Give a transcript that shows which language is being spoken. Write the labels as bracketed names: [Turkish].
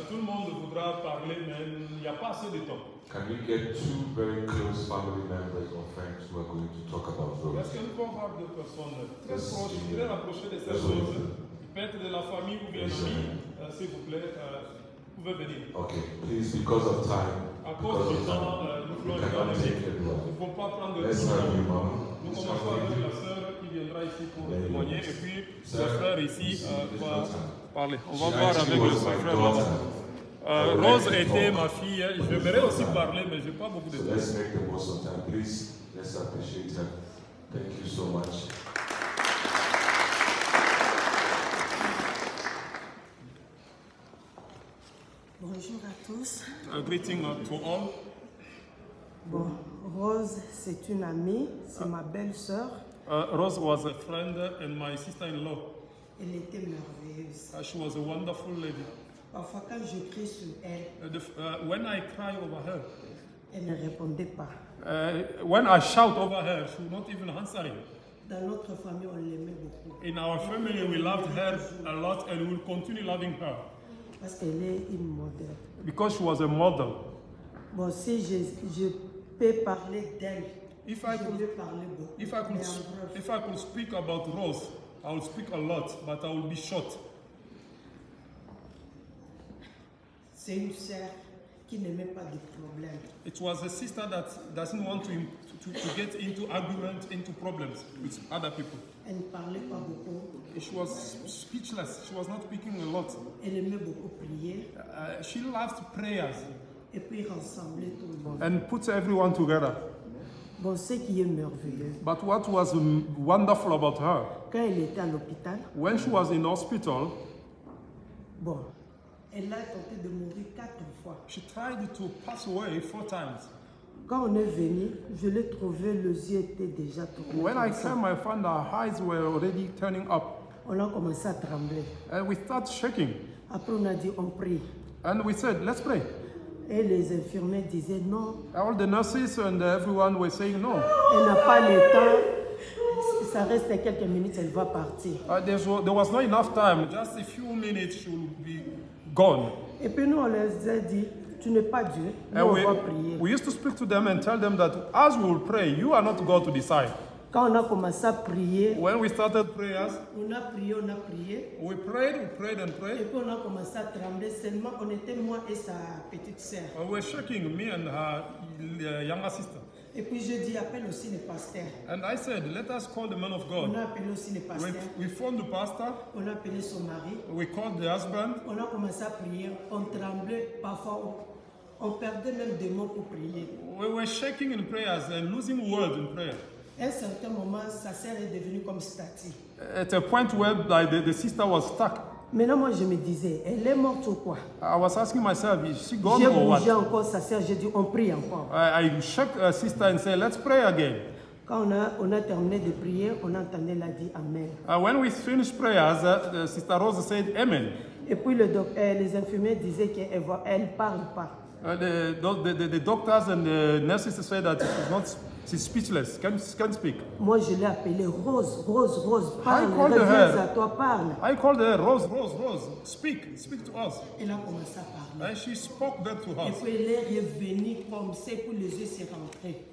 [French] Tout le monde voudra parler, mais il n'y a pas assez de temps. [English] Can we get two very close family members or friends who are going to talk about Rose? [French] Est-ce qu'on peut avoir deux personnes très proches, très rapprochées de cette chose? Peut-être de la famille ou bien amis, s'il vous plaît, vous pouvez venir. [English] Okay, please, because of time. [French] À cause du temps, nous voulons garder les gens. Nous ne pouvons pas prendre le temps. [English] Let's have [French] nous commençons avec la sœur qui viendra ici pour témoigner et puis le frère ici va parler. On va voir avec le frère. Rose était ma fille, hein. Je voudrais aussi parler, mais je n'ai pas beaucoup de temps. [English] Let's make the most of time, please. Let's appreciate that. Thank you so much. [French] Bonjour à tous. [English] A greeting to all. [French] Bon, Rose, c'est une amie, c'est ma belle-sœur. [English] Rose was a friend and my sister-in-law. [French] Elle était merveilleuse. [English] She was a wonderful lady. [French] Parfois, quand je crie sur elle, [English] When I cry over her, [French] elle ne répondait pas. [English] When I shout over her, she would not even answer me. [French] Dans notre famille, on l'aimait beaucoup. [English] In our family, we loved her a lot and we'll continue loving her. [French] Parce qu'elle est une [English] because she was a model. [French] Bon, si je peux parler d'elle. [English] If I could, if I could speak about Rose, I would speak a lot, but I would be short. [French] C'est une sœur qui n'aimait pas de problèmes. [English] It was a sister that doesn't want to get into arguments, into problems with other people. [French] Elle ne parlait pas beaucoup. [English] She was speechless. She was not speaking a lot. [French] Elle aimait beaucoup prier. [English] She loved prayers. [French] Et puis rassembler tout le monde. [English] And put everyone together. [French] Bon, ce qui est merveilleux. [English] But what was wonderful about her? [French] Quand elle était à l'hôpital. [English] When she was in hospital. [French] Bon, elle a tenté de mourir 4 fois. [English] She tried to pass away 4 times. [French] Quand on est venu, je l'ai trouvé, les yeux étaient déjà tournés. [English] When I came, I found her eyes were already turning up. [French] On a commencé à trembler. [English] And we started shaking. [French] Après, on a dit, on prie. [English] And we said, let's pray. [French] Et les infirmiers disaient non. [English] All the nurses and everyone were saying no. [French] Elle n'a pas le temps. Ça reste quelques minutes, elle va partir. [English] There was not enough time. Just a few minutes, she would be gone. [French] Et puis nous, on leur a dit, tu n'es pas Dieu. Nous, on va prier. [English] We used to speak to them and tell them that as we will pray, you are not God to decide. [French] Quand on a commencé à prier, [English] when we started prayers, [French] on a prié. [English] We prayed. [French] Et puis on a commencé à trembler seulement, on était moi et sa petite sœur. [English] We were shaking, me and her younger sister. [French] Et puis je dis, appelle aussi le pasteur. [English] And I said, let us call the man of God. [French] On a appelé aussi le pasteur. [English] We phoned the pastor. [French] On a appelé son mari. [English] We called the husband. [French] On a commencé à prier, on tremblait parfois. On perdait même des mots pour prier. [English] We were shaking in prayers and losing words in prayer. [French] À un certain moment, sa sœur est devenue comme statue. [English] At a point where the sister was stuck. [French] Maintenant, moi, je me disais, elle est morte ou quoi? [English] I was asking myself, is she gone or what? [French] J'ai bougé encore sa sœur, j'ai dit, on prie encore. [English] I shook her sister and said, let's pray again. [French] Quand on a terminé de prier, on entendait la dire Amen. [English] When we finished prayers, Sister Rose said, Amen. [French] Et puis le docteur, les infirmiers disaient qu'elle ne parle pas. [English] The doctors and the nurses said that she's not. She's speechless, can't speak. [French] Moi, je l'ai appelée Rose, parle, reviens à toi, parle. [English] I called her Rose, speak to us. [French] Elle a commencé à parler. [English] And she spoke back to us. [French] Et puis elle est revenue comme c'est pour les yeux s'est rentrés.